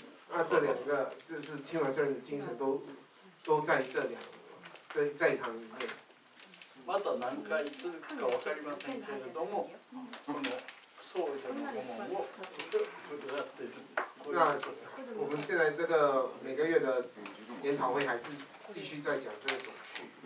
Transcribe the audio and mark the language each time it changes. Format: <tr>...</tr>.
<zh>那这两个就是青鸾智人的精神都在这两在一堂里面。</zh> <ja>まだ何回続くかわかりませんけれども、僧侶の御門をやっている。</ja> <zh>那我们现在这个每个月的研讨会还是继续在讲这个总序。</zh>